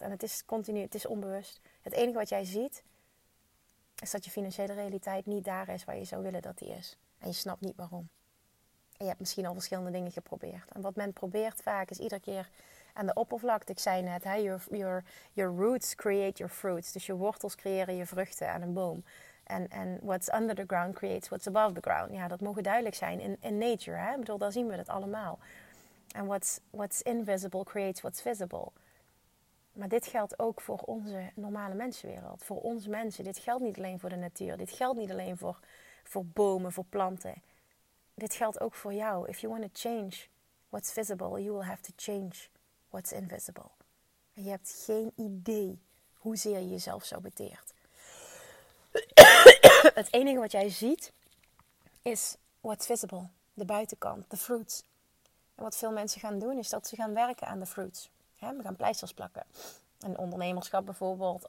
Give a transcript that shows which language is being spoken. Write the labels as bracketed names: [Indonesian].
[Dutch] En het is continu, het is onbewust. Het enige wat jij ziet, is dat je financiële realiteit niet daar is waar je zou willen dat die is. En je snapt niet waarom. En je hebt misschien al verschillende dingen geprobeerd. En wat men probeert vaak is iedere keer aan de oppervlakte. Ik zei net, [English] your roots create your fruits. [Dutch] Dus je wortels creëren je vruchten aan een boom. [English] En what's under the ground creates what's above the ground. [Dutch] Ja, dat mogen duidelijk zijn in nature. Hè? Ik bedoel, daar zien we dat allemaal. [English] And what's invisible creates what's visible. [Dutch] Maar dit geldt ook voor onze normale mensenwereld. Voor onze mensen. Dit geldt niet alleen voor de natuur. Dit geldt niet alleen voor bomen, voor planten. Dit geldt ook voor jou. [English] If you want to change what's visible, you will have to change what's invisible. [Dutch] En je hebt geen idee hoezeer je jezelf saboteert. Het enige wat jij ziet is [English] what's visible. [Dutch] De buitenkant, de fruits. En wat veel mensen gaan doen is dat ze gaan werken aan de fruits. We gaan pleisters plakken. Een ondernemerschap bijvoorbeeld.